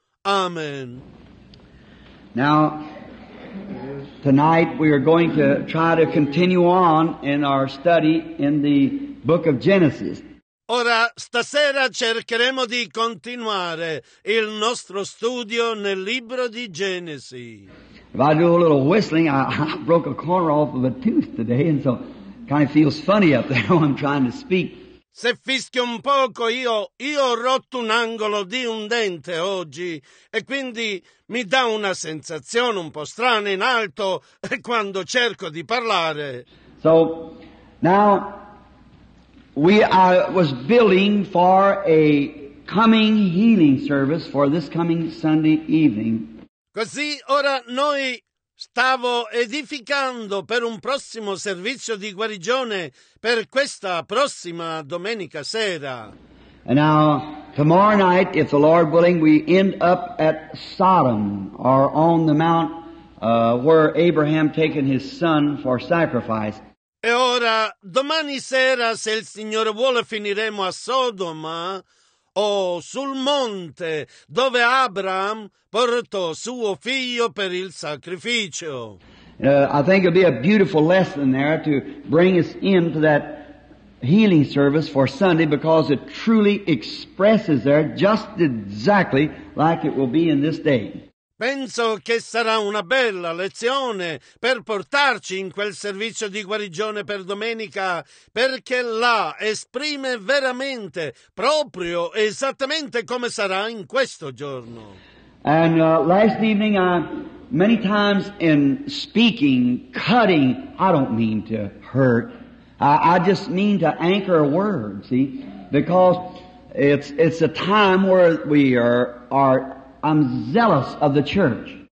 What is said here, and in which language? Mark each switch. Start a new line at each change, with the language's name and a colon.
English: Amen. Now, tonight we are going to try to continue on in our study in the book of Genesis.
Italian: Ora, stasera cercheremo di continuare il nostro studio nel libro di Genesi.
English: If I do a little whistling, I broke a corner off of a tooth today, and so kind of feels funny up there when I'm trying to speak.
Italian: Se fischio un poco, io ho rotto un angolo di un dente oggi, e quindi mi dà una sensazione un po' strana in alto quando cerco di parlare.
English: So, now, I was building for a coming healing service for this coming Sunday evening.
Italian: Così ora noi stavo edificando per un prossimo servizio di guarigione per questa prossima domenica sera.
English: And now, tomorrow night, if the Lord willing, we end up at Sodom, or on the mount where Abraham taken his son for sacrifice.
Italian: E ora, domani sera, se il Signore vuole, finiremo a Sodoma, o sul monte dove Abraham portò suo figlio per il sacrificio.
English: I think it'll be a beautiful lesson there to bring us into that healing service for Sunday, because it truly expresses there just exactly like it will be in this day.
Italian: Penso che sarà una bella lezione per portarci in quel servizio di guarigione per domenica, perché là esprime veramente, proprio, esattamente come sarà in questo giorno.
English: And last evening, many times in speaking, cutting, I don't mean to hurt. I just mean to anchor a word, see? Because it's a time where we are I'm zealous of the church.